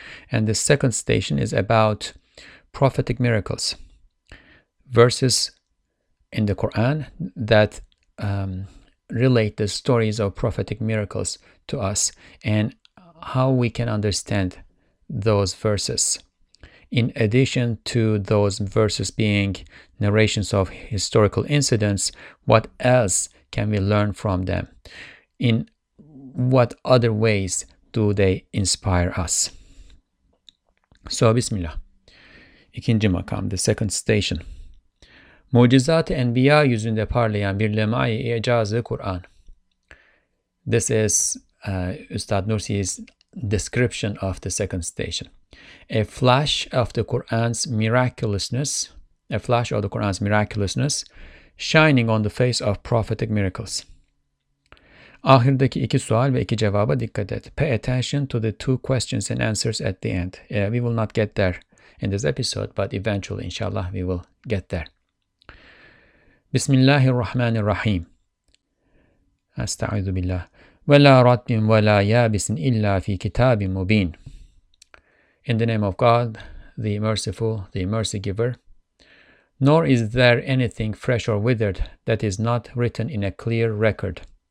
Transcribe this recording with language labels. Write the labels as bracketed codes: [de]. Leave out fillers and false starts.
[en] And the second station is about prophetic miracles, verses in the Quran that relate the stories of prophetic miracles to us and how we can understand those verses, in addition to those verses being narrations of historical incidents, what else can we learn from them? In what other ways do they inspire us? So, Bismillah. [tr] İkinci makam, [en] the second station. [tr] Mucizat-ı Enbiya yüzünde parlayan bir lemai-i icazı Kur'an. [en] This is Üstad Nursi's description of the second station. A flash of the Quran's miraculousness, a flash of the Quran's miraculousness, shining on the face of prophetic miracles. [tr] Ahirdeki iki sual ve iki cevaba dikkat et. [en] Pay attention to the two questions and answers at the end. We will not get there in this episode, but eventually, inshallah, we will get there. [ar] Bismillahirrahmanirrahim. Estaizu billah. وَلَا رَدٍّ وَلَا يَابِسٍ إِلَّا فِي كِتَابٍ مُّبِينٍ [en] In the name of God, the Merciful, the Mercy Giver, nor is there anything fresh or withered that is not written in a clear record.